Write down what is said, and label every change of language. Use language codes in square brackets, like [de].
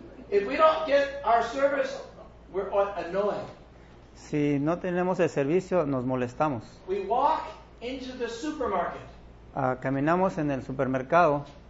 [en] If we don't get our service, we're annoying. [es] Si no tenemos el servicio, nos molestamos. [en] We walk into the supermarket. [es] Caminamos en el supermercado.